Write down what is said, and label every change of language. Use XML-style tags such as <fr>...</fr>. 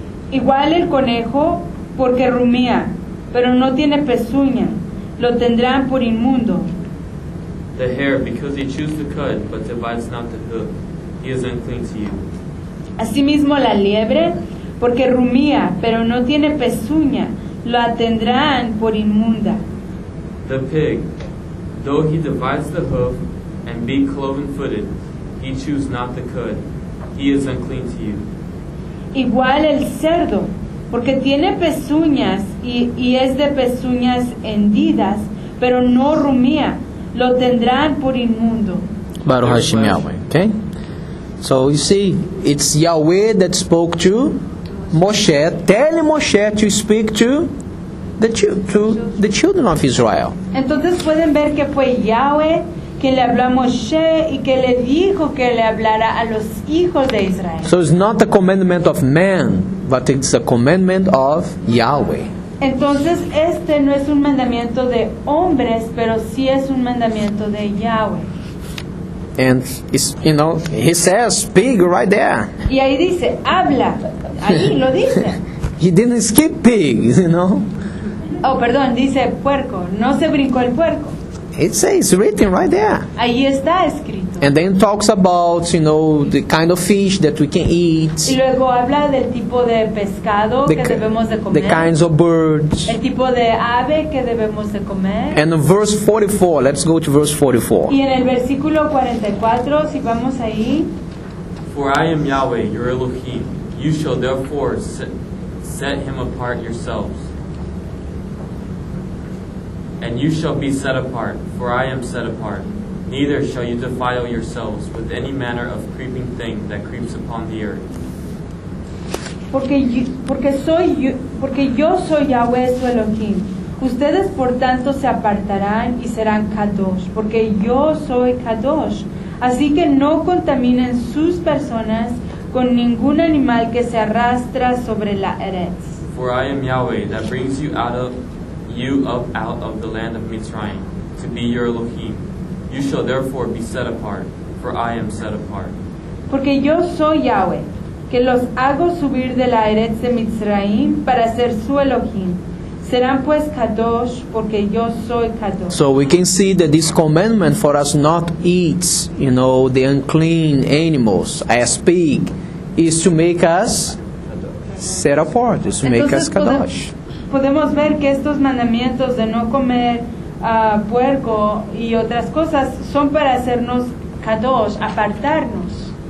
<es>Igual el conejo, porque rumía pero no tiene pezuña, lo tendrán por inmundo.</es> <en>The hare, because he chews the cud, but divides not the hoof, he is unclean to you.</en> <es>Asimismo la liebre, porque rumía, pero no tiene pezuña, lo tendrán por inmunda.</es> <en>The pig, though he divides the hoof, and be cloven-footed, he chews not the cud, he is unclean to you.</en> <es>Igual el cerdo, porque tiene pezuñas y es de pezuñas hendidas, pero no rumía, lo tendrán por inmundo.</es> <he>Baruch Hashem Yahweh. Okay.</he> <en>So you see, it's Yahweh that spoke to Moshe, telling Moshe to speak to the children of Israel.</en> <es>Entonces pueden ver que fue Yahweh que le habló a Moshe y que le dijo que le hablara a los hijos de Israel.</es> <en>So it's not a commandment of man, but it's a commandment of Yahweh.</en> <es>Entonces este no es un mandamiento de hombres, pero sí es un mandamiento de Yahweh.</es> <en>And it's, you know, he says pig right there.</en> <es>Y ahí dice habla. Ahí lo dice.</es> <en>He didn't skip pig, you know.</en> <es>Oh, perdón, dice puerco. No se brincó el puerco.</es> <en>It says it's written right there.</en> <es>Ahí está escrito.</es> <en>And then talks about, you know, the kind of fish that we can eat.</en> <es>Y luego habla del tipo de pescado que debemos de comer.</es> <en>The kinds of birds.</en> <es>El tipo de ave que debemos de comer.</es> <en>And in verse 44, let's go to verse 44.</en> <es>Y en el versículo 44, si vamos ahí.</es> <en>For I am Yahweh, your Elohim. You shall therefore set him apart yourselves. And you shall be set apart, for I am set apart. Neither shall you defile yourselves with any manner of creeping thing that creeps upon the earth.</en> <es>Porque yo soy Yahweh su Elohim. Ustedes, por tanto, se apartarán y serán kadosh, porque yo soy kadosh. Así que no contaminen sus personas con ningún animal que se arrastra sobre la eretz.</es> <en>For I am Yahweh that brings you out of the land of Mitzrayim to be your Elohim. You shall therefore be set apart, for I am set apart.</en> <es>Porque yo soy Yahweh, que los hago subir de la eretz de Mitzrayim para ser su Elohim. Serán pues kadosh, porque yo soy kadosh.</es> <en>So we can see that this commandment for us not eat, you know, the unclean animals as pig, is to make us set apart, is to make us kadosh.</en> <es>Podemos ver que estos mandamientos de no comer puerco y otras cosas son para hacernos kadosh, apartarnos.</es>